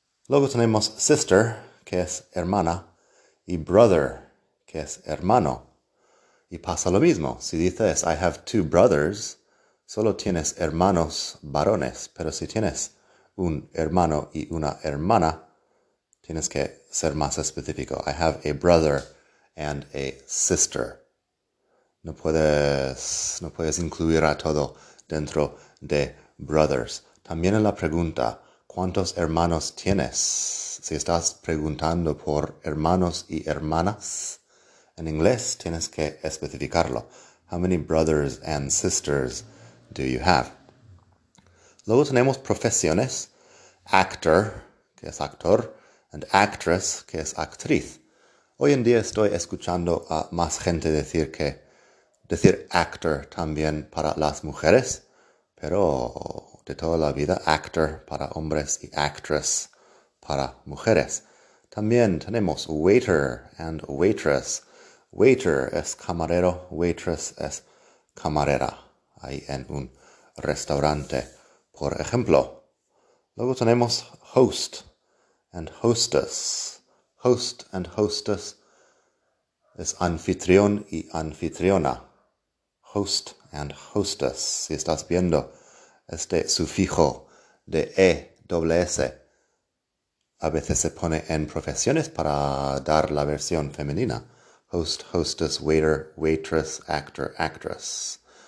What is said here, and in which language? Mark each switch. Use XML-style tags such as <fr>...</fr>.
<es>Luego tenemos sister, que es hermana, y brother, que es hermano. Y pasa lo mismo. Si dices,</es> <en>I have two brothers,</en> <es>solo tienes hermanos varones. Pero si tienes un hermano y una hermana, tienes que ser más específico.</es> <en>I have a brother and a sister.</en> <es>No puedes incluir a todo dentro de brothers. También en la pregunta, ¿cuántos hermanos tienes? Si estás preguntando por hermanos y hermanas, en inglés tienes que especificarlo.</es> <en>How many brothers and sisters do you have?</en> <es>Luego tenemos profesiones. Actor, que es actor, and actress, que es actriz. Hoy en día estoy escuchando a más gente decir actor también para las mujeres, pero de toda la vida actor para hombres y actress para mujeres. También tenemos waiter and waitress. Waiter es camarero, waitress es camarera, ahí en un restaurante, por ejemplo. Luego tenemos host and hostess. Host and hostess es anfitrión y anfitriona. Host and hostess, si estás viendo este sufijo de ESS, a veces se pone en profesiones para dar la versión femenina. Host, hostess, waiter, waitress, actor, actress.</es>